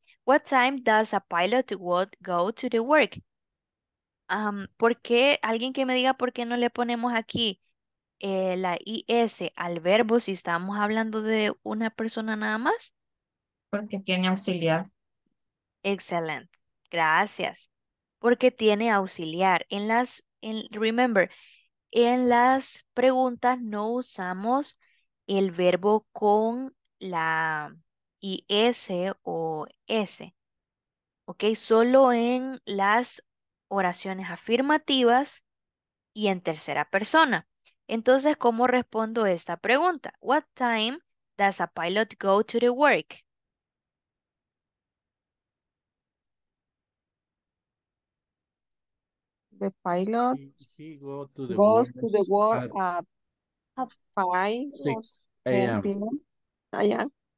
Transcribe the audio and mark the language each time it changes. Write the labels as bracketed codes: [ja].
[en] What time does a pilot go to the work? [es] ¿Por qué? Alguien que me diga por qué no le ponemos aquí la IS al verbo si estamos hablando de una persona nada más. Porque tiene auxiliar. Excellent. Gracias. Porque tiene auxiliar. Remember, en las preguntas no usamos el verbo con la IS o S. Ok, solo en las oraciones afirmativas y en tercera persona. Entonces, ¿cómo respondo esta pregunta? [en] What time does a pilot go to the work? The pilot goes to the work at 5 a.m.